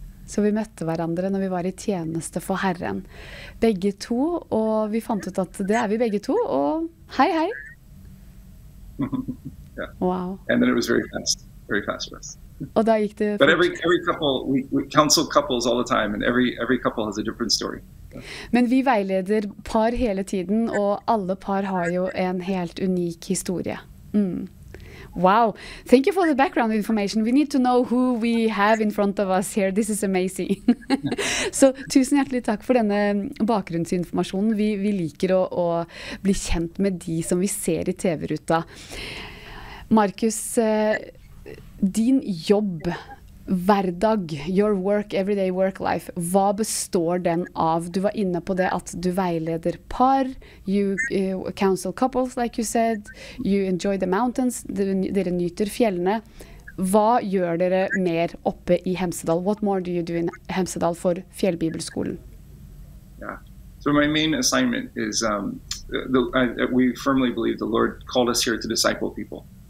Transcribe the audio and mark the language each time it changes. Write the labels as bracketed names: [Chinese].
[Norwegian] Så vi møtte hverandre når vi var i tjeneste for Herren. Begge to, og vi fant ut at det er vi begge to, og hei, hei. Yeah. Wow. [English] And then it was very fast for us. [Norwegian] Og da gikk det fort. [English] But every couple, we counsel couples all the time, and every couple has a different story. [Norwegian] Men vi veileder par hele tiden, og alle par har jo en helt unik historie. Mm. [English] Wow. Thank you for the background information. We need to know who we have in front of us here. This is amazing. [Norwegian] Så tusen hjertelig takk for denne bakgrunnsinformasjonen. Vi liker å bli kjent med de som vi ser I TV-ruta. Markus, din jobb, hverdag, [English] your work, everyday work life, [Norwegian] hva består den av? Du var inne på det at du veileder par, [English] you counsel couples, like you said, you enjoy the mountains, [Norwegian] dere nyter fjellene. Hva gjør dere mer oppe I Hemsedal? [English] What more do you do in Hemsedal for Fjellbibelskolen? Yeah. So my main assignment is, we firmly believe the Lord called us here to disciple people.